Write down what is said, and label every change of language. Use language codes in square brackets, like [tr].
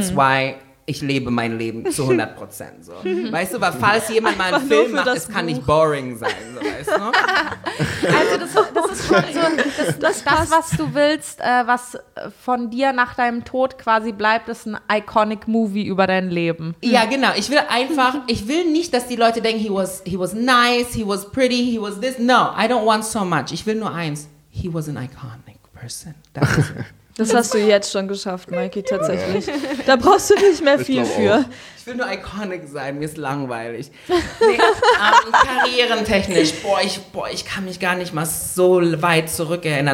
[en] That's why [de] ich lebe mein Leben zu 100%. So. Weißt du, weil falls jemand mal einen Film macht, es kann nicht boring sein. So, weißt du? Also das ist schon so, das, was du willst, was von dir nach deinem Tod quasi bleibt, ist ein iconic movie über dein Leben. Ja, genau. Ich will nicht, dass die Leute denken, [en] he was nice, he was pretty, he was this. No, I don't want so much. [de] Ich will nur eins. [en] He was an iconic person. That's it. [de] Das hast du jetzt schon geschafft, Mikey, tatsächlich. Ja. Da brauchst du nicht mehr viel für. Ich will nur iconic sein, mir ist langweilig. Nee, karrierentechnisch, ich kann mich gar nicht mal so weit zurückerinnern.